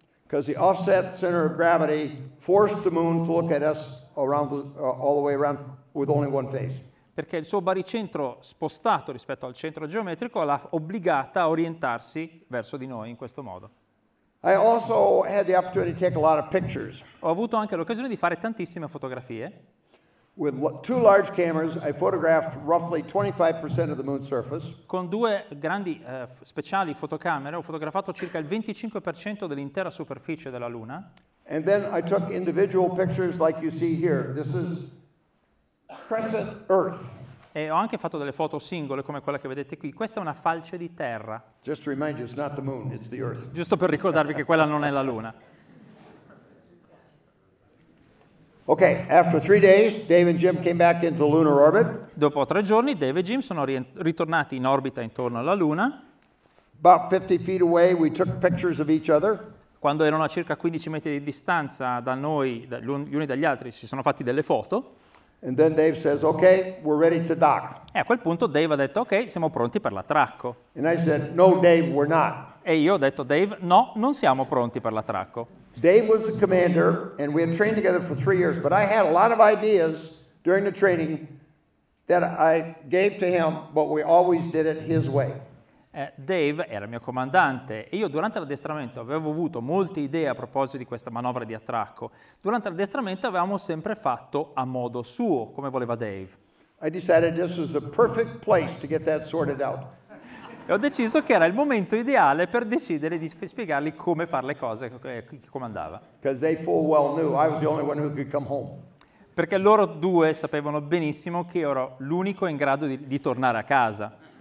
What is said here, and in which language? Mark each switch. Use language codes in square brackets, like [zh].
[en] Because the offset center of gravity forced the moon to look at us around all the way around with only one face. [it] Perché il suo baricentro spostato rispetto al centro geometrico l'ha obbligata a orientarsi verso di noi in questo modo. [en] I also had the opportunity to take a lot of pictures. [it] Ho avuto anche l'occasione di fare tantissime fotografie. [en] With two large cameras, I photographed roughly 25% of the moon's surface. [it] Con due grandi speciali fotocamere ho fotografato circa il 25% dell'intera superficie della Luna. [en] And then I took individual pictures like you see here. This is crescent Earth. [it] E ho anche fatto delle foto singole come quella che vedete qui. Questa è una falce di terra. [en] Just to remind you, it's not the moon, it's the Earth. [it] Giusto per ricordarvi che quella non è la Luna. [en] Okay, after 3 days, Dave and Jim came back into lunar orbit. [it] Dopo 3 giorni, Dave e Jim sono ritornati in orbita intorno alla Luna. [en] About 50 feet away, we took pictures of each other. [it] Quando erano a circa 15 metri di distanza da noi, gli uni dagli altri, si sono fatti delle foto. [en] And then Dave says, okay, we're ready to dock. [it] E a quel punto Dave ha detto, okay, siamo pronti per l'attracco. [en] And I said, no, Dave, we're not. [it] E io ho detto, Dave, no, non siamo pronti per l'attracco. [en] Dave was the commander, and we had trained together for 3 years, but I had a lot of ideas during the training that I gave to him, but we always did it his way. [it] Dave era mio comandante e io durante l'addestramento avevo avuto molte idee a proposito di questa manovra di attracco. Durante l'addestramento avevamo sempre fatto a modo suo, come voleva Dave. [en] I decided this was the perfect place to get that sorted out. [it] E ho deciso che era il momento ideale per decidere di spiegargli come fare le cose, chi comandava. [en] Because they full well knew I was the only one who could come home. [it] Perché loro due sapevano benissimo che ero l'unico in grado di tornare a casa.